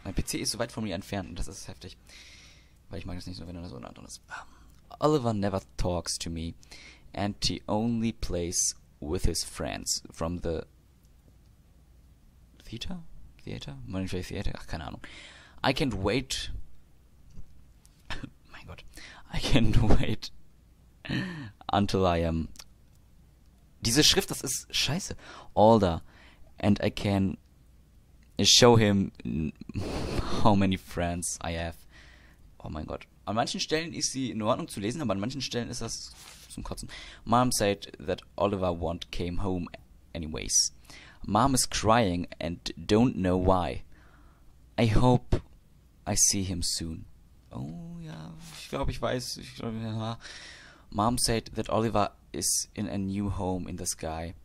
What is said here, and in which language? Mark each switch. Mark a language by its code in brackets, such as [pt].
[de] Mein PC ist so weit von mir entfernt und das ist heftig. Weil ich mag das nicht so, wenn er so nah dran ist. [en] Oliver never talks to me and he only plays with his friends from the theater? [de] Theater? Manchester Theater? Ach, keine Ahnung. [en] I can't wait. [de] Mein Gott. [en] I can't wait until I am. [de] Diese Schrift, das ist scheiße. Older. [en] And I can show him how many friends I have. [de] Oh mein Gott. An manchen Stellen ist sie in Ordnung zu lesen, aber an manchen Stellen ist das zum Kotzen. [en] Mom said that Oliver won't came home anyways. Mom is crying and don't know why. I hope I see him soon. [de] Oh ja, ich glaube, ich weiß. Ich glaub, ja. [en] Mom said that Oliver is in a new home in the sky.